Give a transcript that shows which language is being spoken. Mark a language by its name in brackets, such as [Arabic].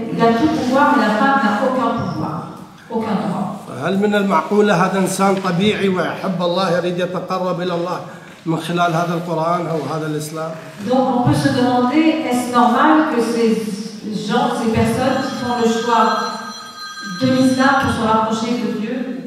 [French] Il a tout pouvoir, mais la femme n'a aucun pouvoir, aucun droit. [Arabic] هل من المعقولة هذا إنسان طبيعي ويحب الله يريد يتقرب إلى الله من خلال هذا القرآن أو هذا الإسلام؟ [French] Donc on peut se demander, est-ce normal que ces gens, ces personnes qui font le choix de l'islam pour se rapprocher de Dieu,